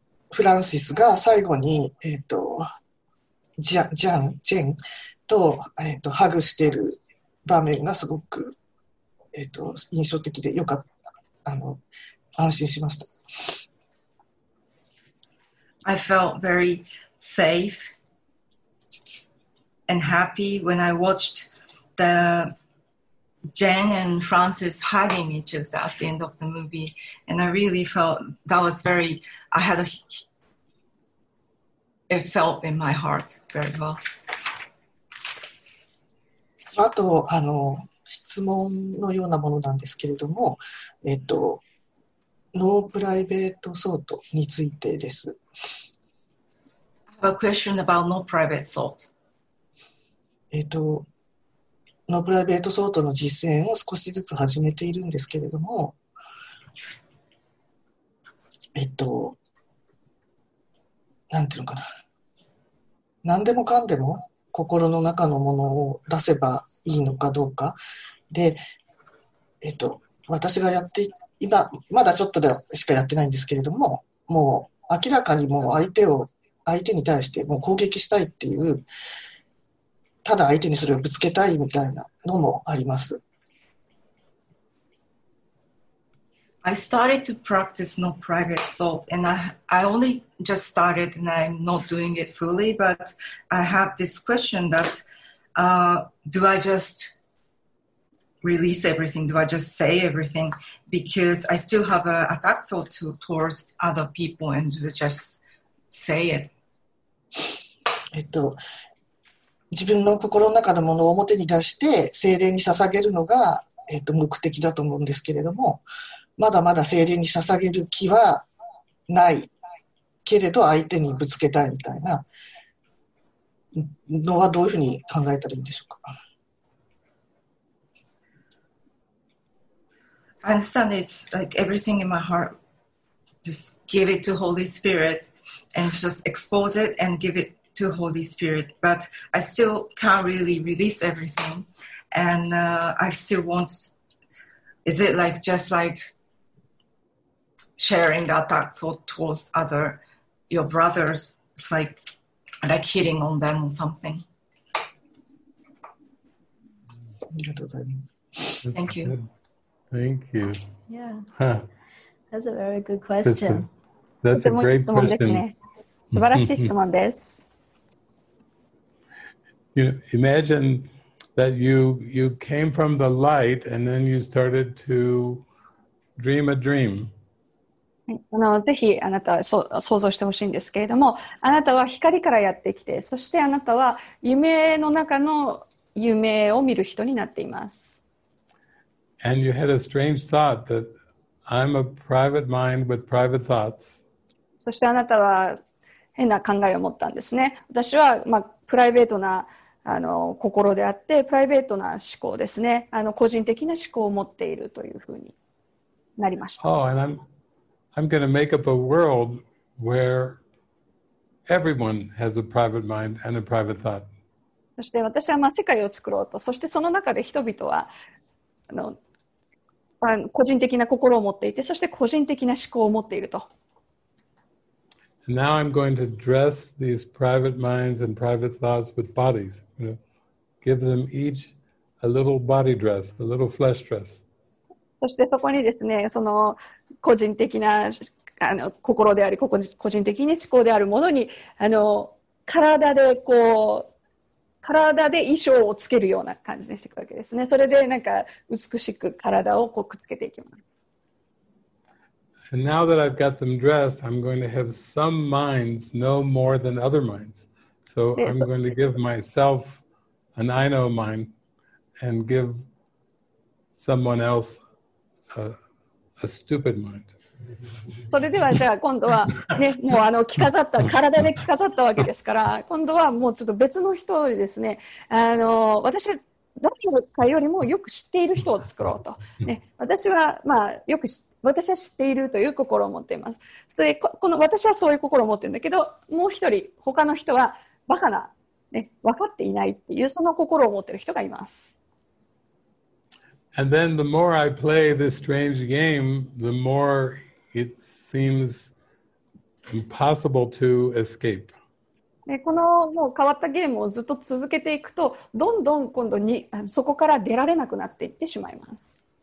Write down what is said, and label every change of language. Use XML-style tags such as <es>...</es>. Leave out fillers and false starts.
<ja>フランシスが最後に、ジェンと、ハグしている場面がすごく、印象的でよかった、安心しました。</ja> <en>I felt very safe and happy when I watched the Jen and Francis hugging each other at the end of the movie, and I really felt that was very, I had a, it felt in my heart very well.</en> <ja>あと、質問のようなものなんですけれども、ノープライベートソートについてです。</ja> <en>I have a question about no private thought.</en> <ja>のプライベートソートの実践を少しずつ始めているんですけれども、なんていうのかな、何でもかんでも心の中のものを出せばいいのかどうかで、私がやって今まだちょっとでしかやってないんですけれども、もう明らかにもう相手に対してもう攻撃したいっていう、ただ相手にそれをぶつけたいみたいなのもあります。</ja> <en>I started to practice no private thought, and I only just started, and I'm not doing it fully. But I have this question that, do I just release everything? Do I just say everything? Because I still have an attack thought towards other people, and just say it.</en> <ja>自分の心の中のものを表に出して精霊に捧げるのが、目的だと思うんですけれども、まだまだ精霊に捧げる気はないけれど相手にぶつけたいみたいなのはどういうふうに考えたらいいんでしょうか。</ja> <en>I understand it's like everything in my heart, just give it to Holy Spirit and just expose it and give itto Holy Spirit, but I still can't really release everything, and I still want, is it like just like sharing that dark thought towards other, your brothers, it's like hitting on them or something. Thank you. Thank you. Yeah, huh. That's a very good question. That's a great question.</en> <ja>素晴らしい質問です。</ja> <en>You know, imagine that you came from the light and then you started to dream a dream.</en> <ja>ぜひあなたは想像してほしいんですけれども、あなたは光からやってきて、そしてあなたは夢の中の夢を見る人になっています。</ja> <en>And you had a strange thought that I'm a private mind with private thoughts.</en> <ja>そしてあなたは変な考えを持ったんですね。私は、プライベートな心であって、プライベートな思考ですね。個人的な思考を持っているというふうになりました。</ja> <en>Oh, and I'm going to make up a world where everyone has a private mind and a private thought.</en> <ja>そして私は世界を作ろうと、そしてその中で人々は個人的な心を持っていて、そして個人的な思考を持っていると。</ja> <en>Now I'm going to dress these private minds and private thoughts with bodies. You know, give them each a little body dress, a little flesh dress.</en> <ja>そしてそこにですね、その個人的な心であり、個人的に思考であるものに、体で衣装をつけるような感じにしていくわけですね。それでなんか美しく体をこうくっつけていきます。</ja> <en>And now that I've got them dressed, I'm going to have some minds know more than other minds. So I'm going to give myself an I know mind and give someone else a stupid mind.</en> <ja>それではじゃあ今度はね、もう着飾った、体で着飾ったわけですから、今度はもうちょっと別の人にですね、私誰かよりもよく知っている人を作ろうと、ね、私はよく私は知っているという心を持っています。でこの私はそういう心を持っているんだけど、もう一人他の人はバカな、ね、分かっていないっていう、その心を持っている人がいます。</ja> <en>And then the more I play this strange game, the more it seems impossible to escape.</en> <ja>でこのもう変わったゲームをずっと続けていくと、どんどん今度にそこから出られなくなっていってしまいます。</ja>